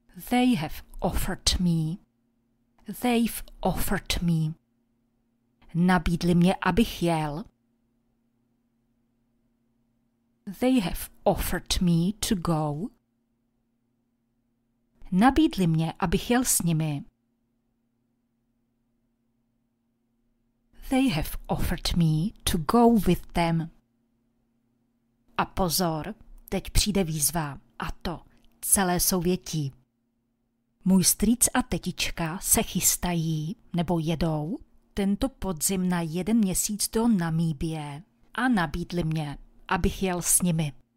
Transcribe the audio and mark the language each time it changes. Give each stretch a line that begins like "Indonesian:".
English: They have offered me. They've offered me.
Czech: Nabídli mě, abych jel.
English: They have offered me to go.
Czech: Nabídli mě, abych jel s nimi.
English: They have offered me to go with them.
Czech: A pozor, teď přijde výzva, a to celé souvětí. Můj strýc a tetička se chystají, nebo jedou, tento podzim na jeden měsíc do Namíbie a nabídli mě, abych jel s nimi.